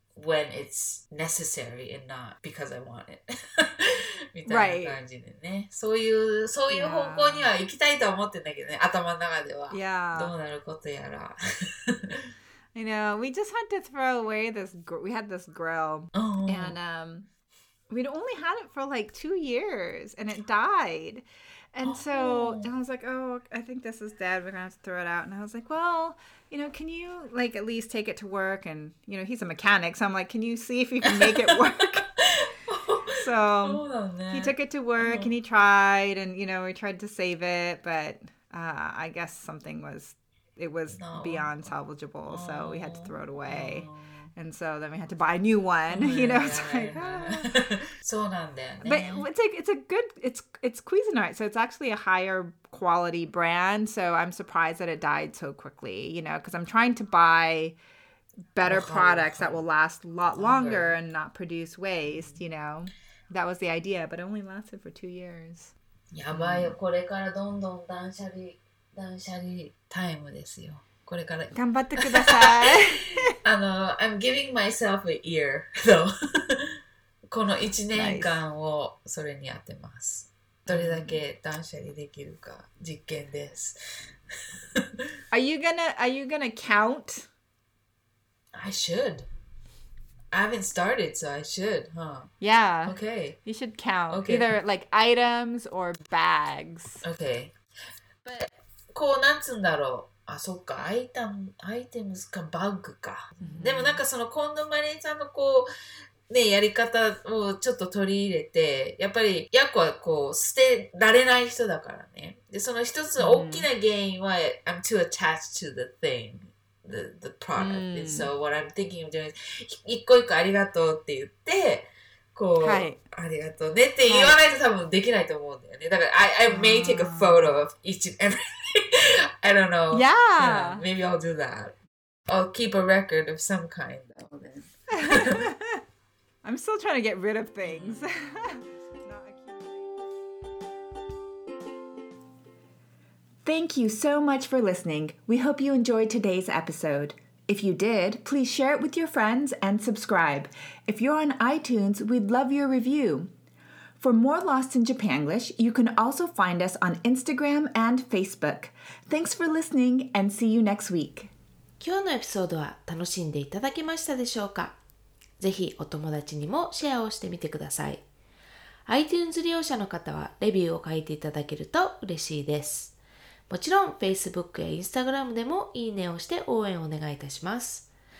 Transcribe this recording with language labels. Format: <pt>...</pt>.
<en>When it's necessary and not because I want it.</en> <ja>みたいな感じでね。そういう方向には行きたいと思ってんだけどね、頭の中では。</ja> <en>Yeah.</en> <ja>どうなることやら。</ja> <en>I know. We just had to throw away this we had this grill. Oh. And we'd only had it for like 2 years and it died. And so and I was like, oh, I think this is dead. We're going to have to throw it out. And I was like, well... You know, can you, like, at least take it to work? And, you know, he's a mechanic, so I'm like, can you see if you can make it work? So, he took it to work, and he tried, and, you know, we tried to save it, but I guess something was, it was beyond salvageable, so we had to throw it away. And so then we had to buy a new one, you know, it's like,</en> <ja>So なんだよね。</ja> <en>But it's like, it's a good, it's Cuisinart, so it's actually a higher quality brand, so I'm surprised that it died so quickly, you know, because I'm trying to buy better products that will last a lot longer and not produce waste, you know. That was the idea, but it only lasted for 2 years.</en> <ja>やばいよ、これからどんどん断捨離タイムですよ。これから頑張ってください。</ja> <en>I'm giving myself a year, though.</en> <ja>この1年間をそれに当てます。どれだけ断捨離できるか実験です。</ja> <en>Are you gonna count? I should. I haven't started, so I should, huh? Yeah. Okay. You should count. Okay. Either like items or bags. Okay.</en> <ja>But, こうなんつんだろう。あ、そっか、アイテムかバッグか。 Mm-hmm. でもなんかその近藤マリンさんのこう、ね、やり方をちょっと取り入れて、やっぱりヤコはこう捨てられない人だからね。で、その一つ大きな原因は、mm-hmm.</ja> <en>I'm too attached to the thing, the product.、Mm-hmm. And so what I'm thinking of doing is,</en> <ja>一個一個ありがとうって言って、こう、はい、ありがとうねって言わないと多分できないと思うんだよね。だから、</ja> <en>I may take a photo of each and everythingI don't know. Yeah. Maybe I'll do that. I'll keep a record of some kind, though. I'm still trying to get rid of things. Thank you so much for listening. We hope you enjoyed today's episode. If you did, please share it with your friends and subscribe. If you're on iTunes, we'd love your review. For more Lost in Japanglish, you can also find us on Instagram and Facebook. Thanks for listening and see you next week.</en> <ja>今日のエピソードは楽しんでいただけましたでしょうか?ぜひお友達にもシェアをしてみてください。 iTunes 利用者の方はレビューを書いていただけると嬉しいです。もちろん Facebook や Instagram でもいいねをして応援をお願いいたします。</ja>